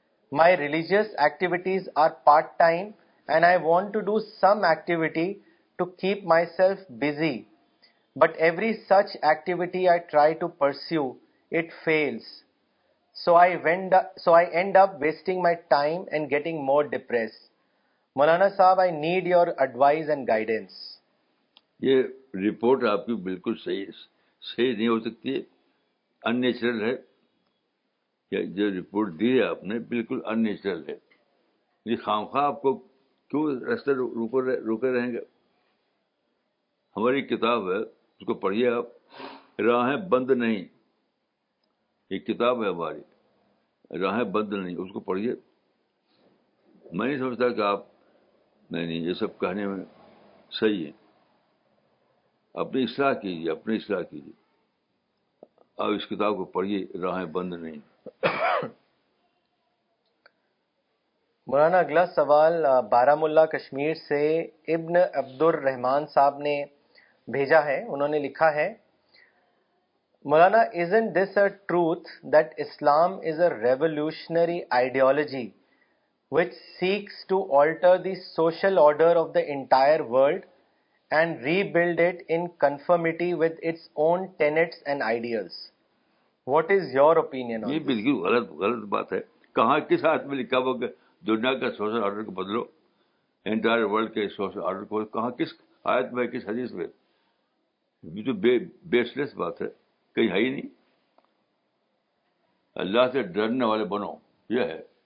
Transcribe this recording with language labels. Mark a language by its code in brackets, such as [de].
[en] My religious activities are part-time and I want to do some activity to keep myself busy. But every such activity I try to pursue, it fails. So I end up wasting my time and getting more depressed. مولانا صاحب I need your advice and guidance. [ur] یہ report آپ کی بالکل صحیح نہیں ہو سکتی, ان natural ہے. جو رپورٹ دی ہے آپ نے بالکل ان نیچرل ہے. یہ خامخواہ آپ کو کیوں رستے روکے رہیں گے؟ ہماری کتاب ہے, اس کو پڑھیے آپ. راہیں بند نہیں, یہ کتاب ہے ہماری, راہیں بند نہیں, اس کو پڑھیے. میں نہیں سمجھتا کہ آپ نہیں نہیں یہ سب کہنے میں صحیح ہیں. اپنی اصلاح کیجیے, اپنی اصلاح کیجیے. آپ اس کتاب کو پڑھیے, راہیں بند نہیں. مولانا اگلا سوال بارہمولہ کشمیر سے ابن عبد الرحمان صاحب نے بھیجا ہے. انہوں نے لکھا ہے, [en] مولانا isn't this a truth that Islam is a revolutionary ideology which seeks to alter the social order of the entire world and rebuild it in conformity with its own tenets and ideals. What is your opinion on this? [ur] یہ بالکل غلط بات ہے. کہاں کس آدمی لکھا ہوگا دنیا کے سوشل آرڈر کو بدلو, انٹائر ورلڈ کے سوشل آرڈر کو. کہاں, کس آیت میں, کس حدیث میں؟ یہ تو بیس لیس بات ہے, کہیں ہے ہی نہیں. اللہ سے ڈرنے والے بنو, یہ ہے.